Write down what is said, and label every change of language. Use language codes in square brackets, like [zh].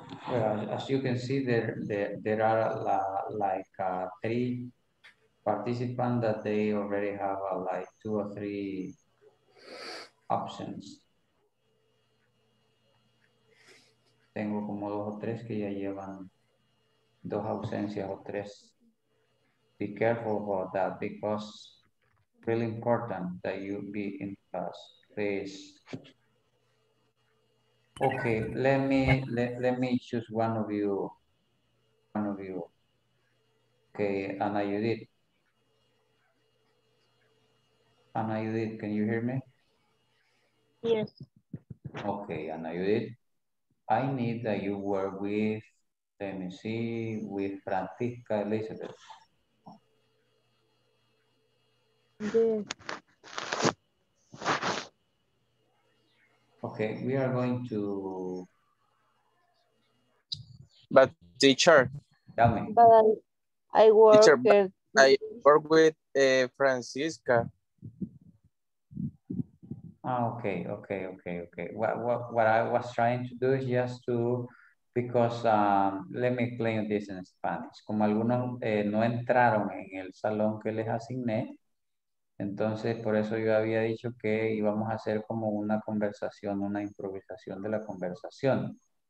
[en] Well, as you can see, there are like three participants that they already have like two or three options. [es] Tengo como dos o tres que ya llevan dos ausencias o tres. [en] Be careful about that because it's really important that you be in class, please. Okay, let me choose one of you. One of you. Okay, Ana Judith. Ana, you did. Can you hear me? Yes. Okay, Ana, you did. I need that you work with, let me see, with Francisca Elizabeth. Yes. Okay, we are going to... But teacher... Tell me. But I work... Teacher, I work with Francisca. Okay. What I was trying to do is just to, because let me explain this in Spanish. [es] Como algunos no entraron en el salón que les asigné, entonces por eso yo había dicho que íbamos a hacer como una conversación, una improvisación de la conversación.